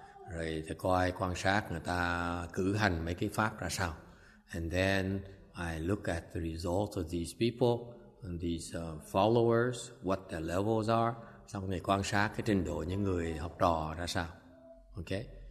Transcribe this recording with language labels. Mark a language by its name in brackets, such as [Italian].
[Vietnamese] Rồi thì coi quan sát người ta cử hành mấy cái pháp ra sao. [English] And then I look at the results of these people and these followers, what their levels are. [Vietnamese] Xong rồi quan sát cái trình độ những người học trò ra sao. Okay?